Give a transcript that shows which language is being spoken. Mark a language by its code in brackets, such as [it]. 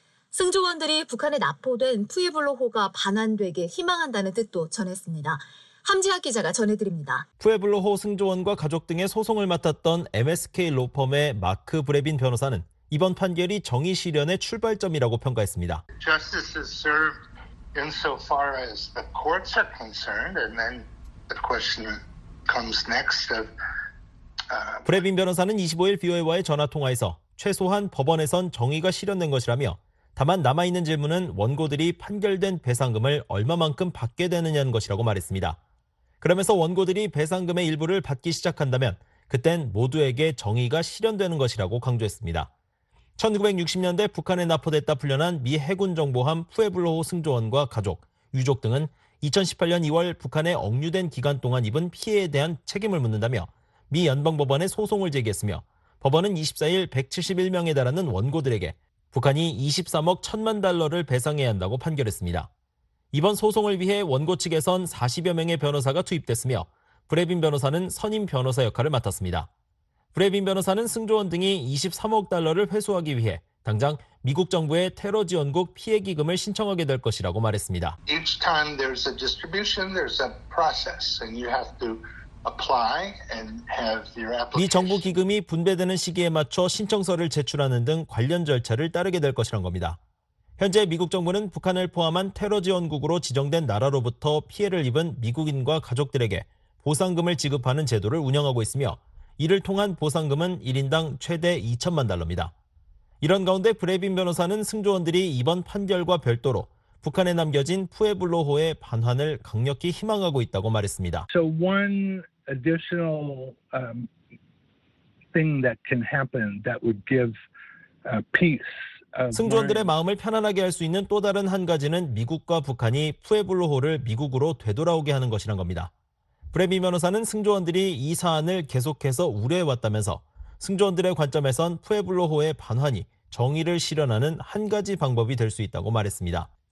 [ko] 승조원들이 북한에 납포된 푸에블로호가 반환되길 희망한다는 뜻도 전했습니다. 함지학 기자가 전해드립니다. 푸에블로호 승조원과 가족 등의 소송을 맡았던 MSK 로펌의 마크 브레빈 변호사는 이번 판결이 정의 실현의 출발점이라고 평가했습니다. [en] Justice is served insofar as the courts are concerned, and then the question comes next of [ko] 브레빈 변호사는 25일 VOA와의 전화 통화에서 최소한 법원에선 정의가 실현된 것이라며 다만 남아있는 질문은 원고들이 판결된 배상금을 얼마만큼 받게 되느냐는 것이라고 말했습니다. 그러면서 원고들이 배상금의 일부를 받기 시작한다면 그땐 모두에게 정의가 실현되는 것이라고 강조했습니다. 1960년대 북한에 납포됐다 풀려난 미 해군 정보함 푸에블로호 승조원과 가족, 유족 등은 2018년 2월 북한에 억류된 기간 동안 입은 피해에 대한 책임을 묻는다며 미 연방법원에 소송을 제기했으며 법원은 24일 171명에 달하는 원고들에게 북한이 23억 1천만 달러를 배상해야 한다고 판결했습니다. 이번 소송을 위해 원고 측에선 40여 명의 변호사가 투입됐으며 브레빈 변호사는 선임 변호사 역할을 맡았습니다. 브레빈 변호사는 승조원 등이 23억 달러를 회수하기 위해 당장 미국 정부의 테러 지원국 피해 기금을 신청하게 될 것이라고 말했습니다. [en] Each time there's a distribution, there's a process, and you have to apply and have your application. [ko] 미 정부 기금이 분배되는 시기에 맞춰 신청서를 제출하는 등 관련 절차를 따르게 될 것이란 겁니다. 현재 미국 정부는 북한을 포함한 테러 지원국으로 지정된 나라로부터 피해를 입은 미국인과 가족들에게 보상금을 지급하는 제도를 운영하고 있으며 이를 통한 보상금은 1인당 최대 2천만 달러입니다. 이런 가운데 브레빈 변호사는 승조원들이 이번 판결과 별도로 북한에 남겨진 푸에블로호의 반환을 강력히 희망하고 있다고 말했습니다. [en] So one additional thing that can happen that would give peace [ko] 승조원들의 마음을 편안하게 할 수 있는 또 다른 한 가지는 미국과 북한이 푸에블로호를 미국으로 되돌아오게 하는 것이란 겁니다. 브레미 변호사는 승조원들이 이 사안을 계속해서 우려해왔다면서 승조원들의 관점에선 푸에블로호의 반환이 정의를 실현하는 한 가지 방법이 될 수 있다고 말했습니다.